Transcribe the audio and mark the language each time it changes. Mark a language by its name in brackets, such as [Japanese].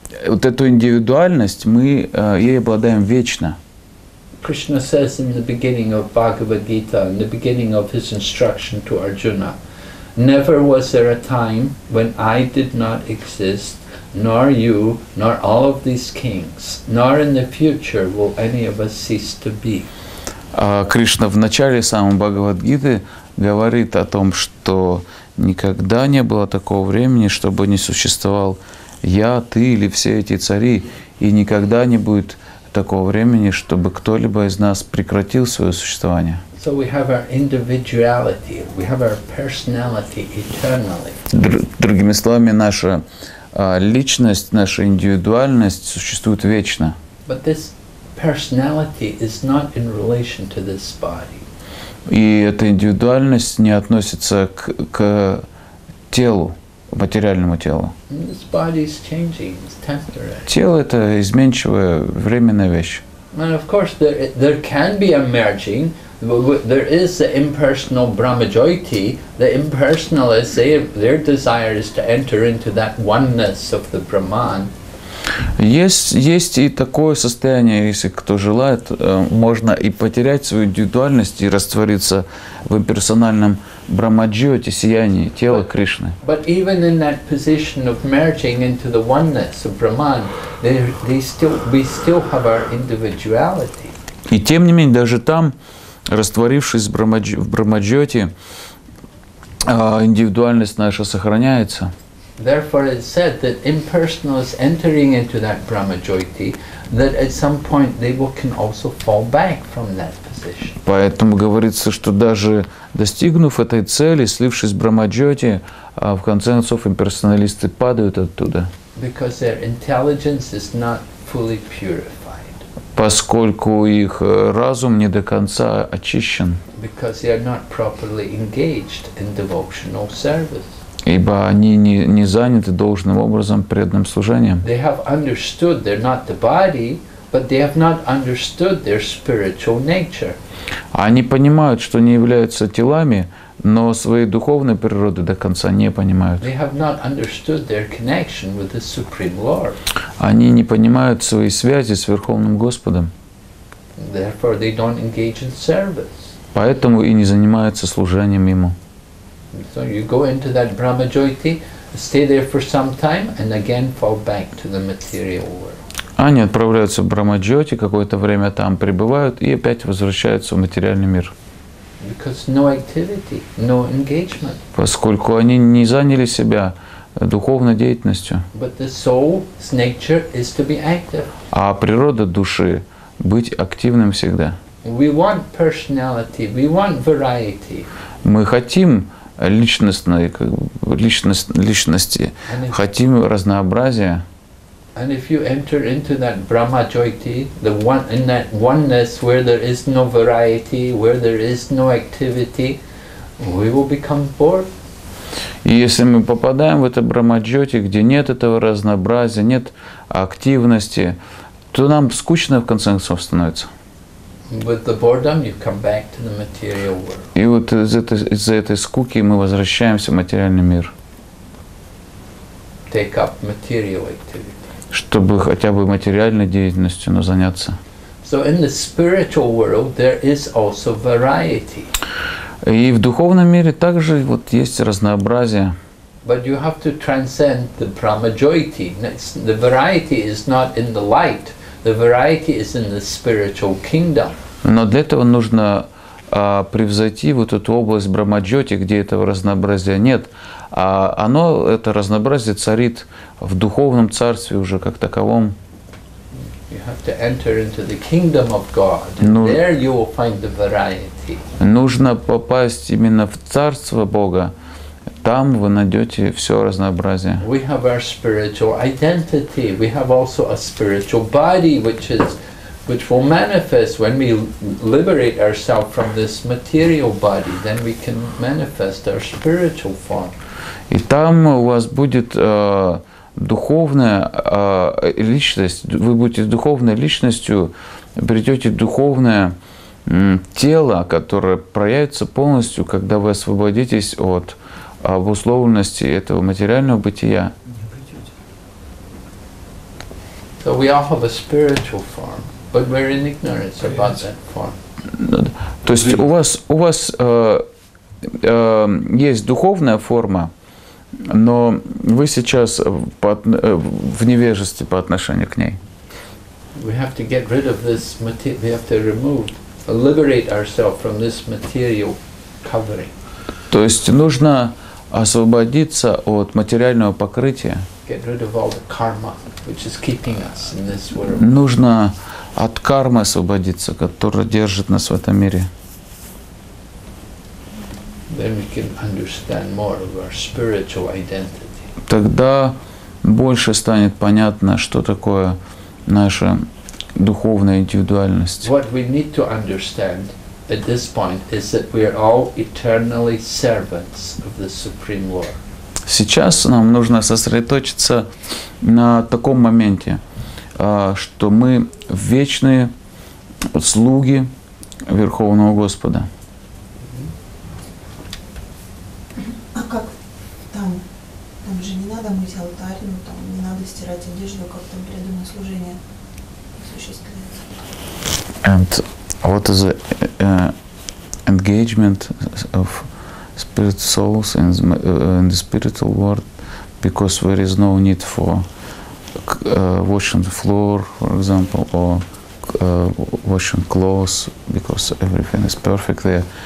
[Russian] Вот эту индивидуальность мы ей обладаем вечно. [English] Krishna says in the beginning of Bhagavad Gita, in the beginning of his instruction to Arjuna, never was there a time when I did not exist. Nor you, nor all of these kings, nor in the future will any of us cease to be. [Russian] Кришна в начале самого Бхагавад-гиты говорит о том, что никогда не было такого времени, чтобы не существовал я, ты или все эти цари, и никогда не будет такого времени, чтобы кто-либо из нас прекратил свое существование. [English] So we have our individuality, we have our personality eternally. [Russian] Другими словами, наша личность, наша индивидуальность существует вечно. [English] But this personality is not in relation to this body. [Russian] И эта индивидуальность не относится к телу, материальному телу. [English] This body is changing, it's temporary. [Russian] Тело – это изменчивая, временная вещь. [English] And of course, there can be a merging. There is the impersonal Brahmajyoti, the impersonalists, their desire is to enter into that oneness of the Brahman. [Russian] Есть и такое состояние, если кто желает, можно и потерять свою индивидуальность и раствориться в имперсональном брахмаджьоте, сиянии тела Кришны. [English] But even in that position of merging into the oneness of Brahman, we still have our individuality. [Russian] И тем не менее, даже там, растворившись в брахмаджьоте, индивидуальность наша сохраняется. [English] Therefore, it's said that impersonalists entering into that brahmajyoti, that at some point they can also fall back from that position. [Russian] Поэтому говорится, что даже достигнув этой цели, слившись с брахмаджьоти, в конце концов имперсоналисты падают оттуда. [English] Because their intelligence is not fully purified. [Russian] Поскольку их разум не до конца очищен. [English] Because they are not properly engaged in devotional service. [Russian] Ибо они не заняты должным образом преданным служением. [English] They have understood they're not the body, but they have not understood their spiritual nature. [Russian] Они понимают, что не являются телами, но своей духовной природы до конца не понимают. [English] They have not understood their connection with the Supreme Lord. [Russian] Они не понимают своей связи с Верховным Господом. [English] Therefore, they don't engage in service. [Russian] Поэтому и не занимаются служением Ему. [English] So you go into that brahmajyoti, stay there for some time, and again fall back to the material world. [Russian] Они отправляются в брахмаджьоти, какое-то время там пребывают и опять возвращаются в материальный мир. [English] Because no activity, no engagement. [Russian] Поскольку они не заняли себя духовной деятельностью. [English] But the soul's nature is to be active. [Russian] А природа души быть активным всегда. [English] We want personality, we want variety. [Russian] Мы хотим личности, хотим разнообразия. [English] And if you enter into that brahmajyoti, the one in that oneness where there is no variety, where there is no activity, we will become bored. [Russian] И если мы попадаем в это брахмаджьоти, где нет этого разнообразия, нет активности, то нам скучно в конце концов становится. [English] With the boredom, you come back to the material world. [Russian] И вот из-за этой скуки мы возвращаемся в материальный мир. [English] Take up material activity. [Russian] Чтобы хотя бы материальной деятельностью, но заняться. [English] So in the spiritual world there is also variety. [Russian] И в духовном мире также вот есть разнообразие. [English] But you have to transcend the brahmajyoti. The variety is not in the light. The variety is in the spiritual kingdom. [Russian] Но для этого нужно превзойти вот эту область брахмаджьоти, где этого разнообразия нет. А оно, это разнообразие царит в духовном царстве уже как таковом. [English] You have to enter into the kingdom of God. There you will find the variety. [Russian] Нужно попасть именно в царство Бога. Там вы найдете все разнообразие. [English] We have our spiritual identity. We have also a spiritual body, which will manifest when we liberate ourselves from this material body. Then we can manifest our spiritual form. [Russian] И там у вас будет духовная личность. Вы будете духовной личностью, придете духовное тело, которое проявится полностью, когда вы освободитесь от обусловленности этого материального бытия. [English] So we all have a spiritual form, but we're in ignorance about that form. [Russian] То есть у вас есть духовная форма, но вы сейчас в невежестве по отношению к ней. [English] We have to get rid of this material. We have to remove, liberate ourselves from this material covering. [Russian] То есть нужно освободиться от материального покрытия. [English] Get rid of all the karma, which is keeping us in this world. [Russian] Нужно от кармы освободиться, которая держит нас в этом мире. [English] Then we can understand more of our spiritual identity. [Russian] Тогда больше станет понятно, что такое наша духовная индивидуальность. [English] What we need to understand at this point is that we are all eternally servants of the Supreme Lord. [Russian] Сейчас нам нужно сосредоточиться на таком моменте, что мы вечные слуги Верховного Господа. А как там Там же не надо мыть алтарь, ну там не надо стирать одежду, как там преданное служение осуществляется. [English] And what is the engagement of spirit souls in the spiritual world? Because there is no need for washing the floor, for example, or washing clothes, because everything is perfect there.